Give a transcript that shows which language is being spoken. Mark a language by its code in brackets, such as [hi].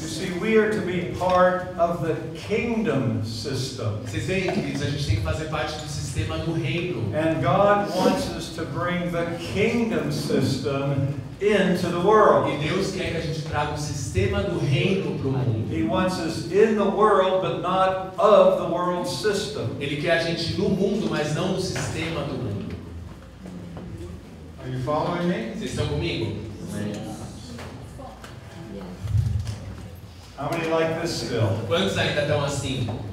[en] You see, we are to be part of the kingdom system. [pt] Vocês veem, queridos, a gente tem que fazer parte do sistema do reino. [en] And God wants us to bring the kingdom system into the world. [pt] E Deus quer que a gente traga o sistema do reino para o mundo. [en] He wants us in the world, but not of the world system. [pt] Ele quer a gente no mundo, mas não no sistema do mundo. [en] Are you following me? [pt] Vocês estão comigo? [en] How many like this still? [pt] Quantos ainda estão assim?